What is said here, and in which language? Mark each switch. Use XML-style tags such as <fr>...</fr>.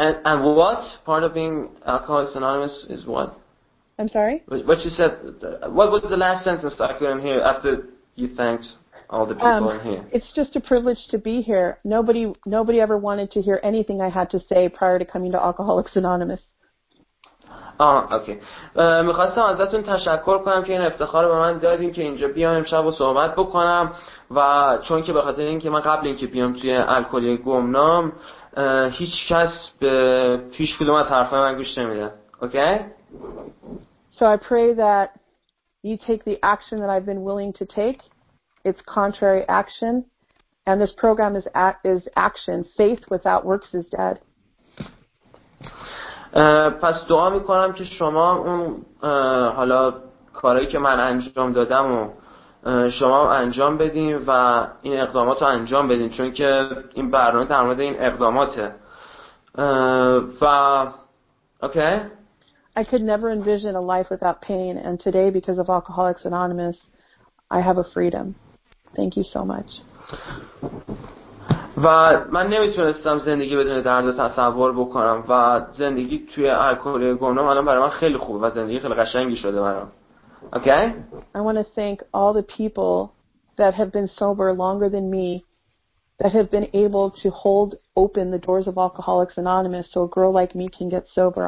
<en>And what part of being Alcoholics Anonymous is what? I'm sorry? What you said, what was the last sentence I couldn't hear after you thanked all the people in here? It's just a privilege to be here. Nobody ever wanted to hear anything I had to say prior to coming to Alcoholics Anonymous. Okay.</en> <fa>میخواستم ازتون تشکر کنم که این افتخار رو به من دادین که اینجا بیام امشب و صحبت بکنم و چون که به خاطر اینکه من قبل اینکه بیام توی الکلی گمنام هیچ کس به پیش کدوم از حرفای من گوش نمیده.</fa> <en>Okay? So I pray that you take the action that I've been willing to take. It's contrary action and this program is action. Faith without works is dead.</en> <fa>پس دعا میکنم که شما اون حالا کارهایی که من انجام دادم و شما انجام بدین و این اقدامات رو انجام بدین، چون که این برنامه در مورد این اقداماته. و اوکی.</fa> <en>I could never envision a life without pain and today because of Alcoholics Anonymous I have a freedom. Thank you so much.</en> <fa>و من نمیتونستم زندگی بدون درد تصور بکنم و زندگی توی الکلی گمنام الان برای من خیلی خوبه و زندگی خیلی قشنگی شده برام.</fa> <en>Okay? I want to thank all the people that have been sober longer than me that have been able to hold open the doors of Alcoholics Anonymous so a girl like me can get sober.</en>